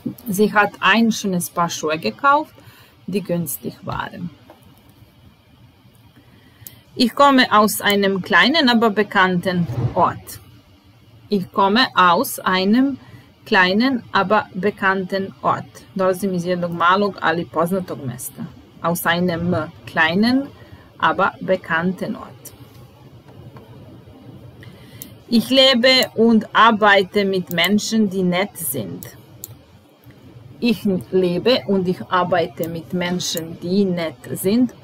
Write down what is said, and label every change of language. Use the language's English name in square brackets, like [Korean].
[German] Sie hat ein schönes Paar Schuhe gekauft, die günstig waren. Ich komme aus einem kleinen, aber bekannten Ort. Ich komme aus einem kleinen, aber bekannten Ort. [Serbian] Dolazim iz jednog malog, ali poznatog mesta. [German] Aus einem kleinen, aber bekannten Ort. Ich lebe und arbeite mit Menschen, die nett sind. Ich lebe und ich arbeite mit Menschen, die nett sind.